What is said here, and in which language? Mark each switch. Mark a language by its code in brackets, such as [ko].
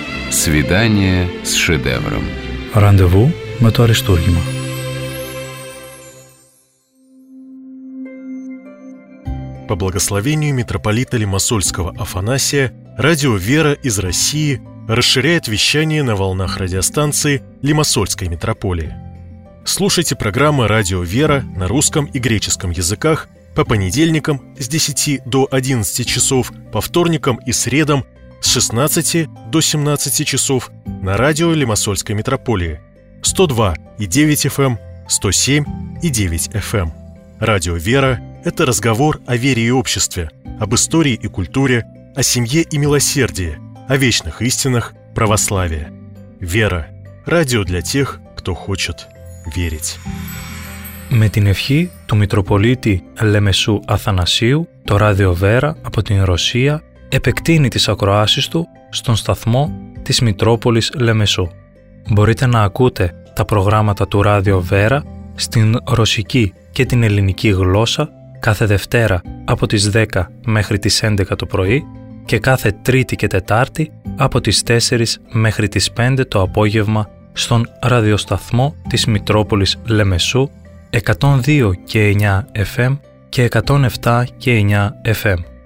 [ru] Σβιντάνιε σ σεντεύρομ. [el] Ραντεβού με το αριστούργημα. [ru] По благословению митрополита Лимассольского Афанасия, радио «Вера» из России расширяет вещание на волнах радиостанции Лимассольской митрополии. Слушайте программы «Радио «Вера» на русском и греческом языках по понедельникам с 10 до 11 часов, по вторникам и средам с 16 до 17 часов на радио Лимассольской митрополии 102,9 FM, 107,9 FM. Радио «Вера» – это разговор о вере и обществе, об истории и культуре, о семье и милосердии, о вечных истинах православия. «Вера» – радио для тех, кто хочет верить. [el] Με την ευχή του Μητροπολίτη Λεμεσού Αθανασίου, το Ράδιο Βέρα από την Ρωσία επεκτείνει τις ακροάσεις του στον σταθμό της Μητρόπολης Λεμεσού. Μπορείτε να ακούτε τα προγράμματα του Ράδιο Βέρα στην ρωσική και την ελληνική γλώσσα κάθε Δευτέρα από τις 10 μέχρι τις 11 το πρωί και κάθε Τρίτη και Τετάρτη από τις 4 μέχρι τις 5 το απόγευμα στον ραδιοσταθμό της Μητρόπολης Λεμεσού 102 και 9 FM και 107 και 9 FM.